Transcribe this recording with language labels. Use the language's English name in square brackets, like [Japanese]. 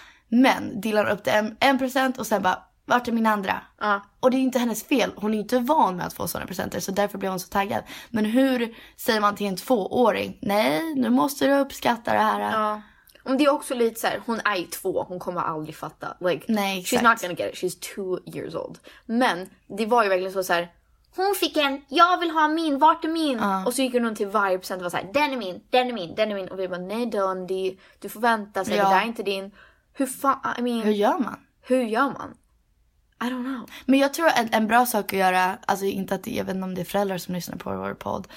[Swedish] Men Dylan upp till en present och sen bara, vart är min andra? Och det är inte hennes fel. Hon är inte van med att få sådana presenter, så därför blev hon så taggad. Men hur säger man till en 2-åring? Nej, nu måste du uppskatta det här. Om det är också lite så här, hon är 2, hon kommer aldrig fatta. [English] Like, [Swedish] nej, [English] she's not gonna get it, she's 2 years old. [Swedish] Men det var ju verkligen så här, hon fick en, jag vill ha min, vart är min? Och så gick hon till varje present och var så här, den är min, den är min, den är min. Och vi bara, nej Dundee, du får vänta, så det där är inte din. Hur fan, [English] I mean, [Swedish] hur gör man? Hur gör man? [English] I don't know. [Swedish] Men jag tror en bra sak att göra, alltså inte att det, jag vet inte om det är föräldrar som lyssnar på vår podd.